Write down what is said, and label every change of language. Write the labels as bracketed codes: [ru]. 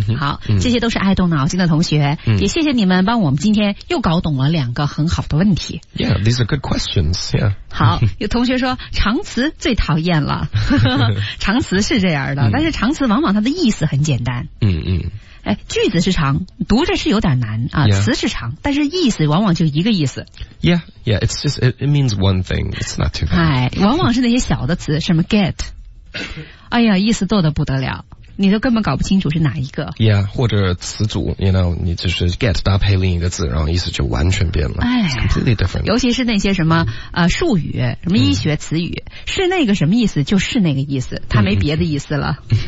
[zh] 好，这些都是爱动脑筋的同学，也谢谢你们帮我们今天又搞懂了两个很好的问题。 [en] Yeah, these are good questions. Yeah. [zh] 好，有同学说长词最讨厌了。长词是这样的，但是长词往往它的意思很简单。句子是长，读着是有点难啊。 [en] Yeah. [zh] 词是长，但是意思往往就一个意思。 [en] Yeah, yeah, it's just it means one thing. It's not too bad. [zh] 哎，往往是那些小的词，什么 get， 哎呀，意思多得不得了。你都根本搞不清楚是哪一个。 Yeah, 或者词组 [en] you know, [zh] 你只是 get 搭配另一个字，然后意思就完全变了。哎 [en] It's completely different. [zh] 尤其是那些什么术语，什么医学词语，是那个什么意思就是那个意思，它没别的意思了。